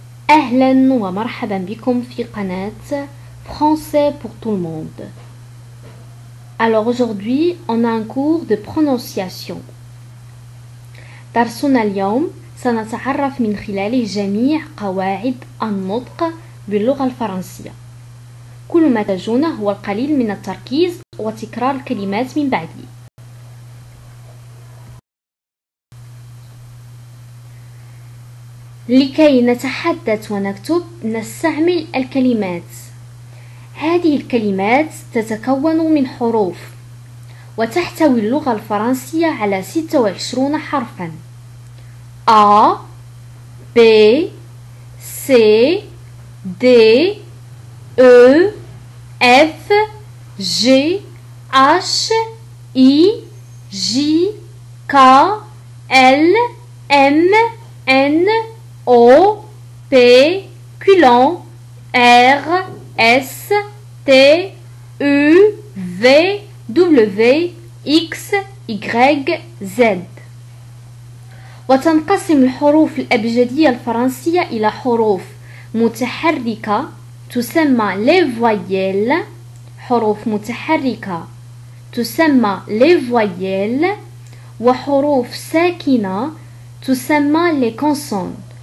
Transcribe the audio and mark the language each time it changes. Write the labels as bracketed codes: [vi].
[ar] أهلا ومرحبا بكم في قناة Français pour tout le monde. [fr] Alors aujourd'hui, on a un cours de prononciation. [ar] درسنا اليوم سنتعرف من خلاله جميع قواعد النطق باللغة الفرنسية. كل ما تحتاجونه هو القليل من التركيز وتكرار الكلمات من بعدي. لكي نتحدث ونكتب نستعمل الكلمات. هذه الكلمات تتكون من حروف وتحتوي اللغة الفرنسية على 26 حرفا [fr] A B C D E F G H I J K L M N O, P, Q, L, R, S, T, U, V, W, X, Y, Z. [ar] وتنقسم الحروف الأبجدية الفرنسية إلى حروف متحركة تسمى [fr] les voyelles, [ar] حروف متحركة تسمى [fr] les voyelles, [ar] وحروف ساكنة تسمى [fr] les consonnes.